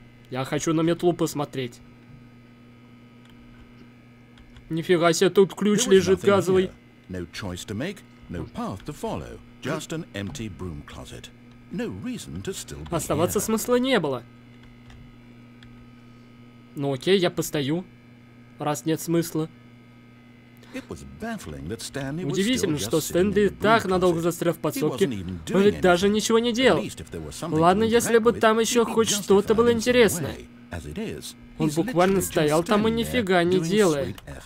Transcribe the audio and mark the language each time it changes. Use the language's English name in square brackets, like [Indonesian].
[Russian] Я хочу на метлу посмотреть. Нифига себе, тут ключ лежит газовый. [English] No choice to make, no path to follow, just an empty broom closet. No reason to still be here. [Russian] Оставаться смысла не было. Ну окей, я постою, раз нет смысла. [English] It was baffling that Stanley was [Russian] удивительно, что Стэнли так надолго застрял в подсобке, он ведь даже ничего не делал. Ладно, если бы там еще хоть что-то было интересное. Он буквально стоял там и нифига не делает.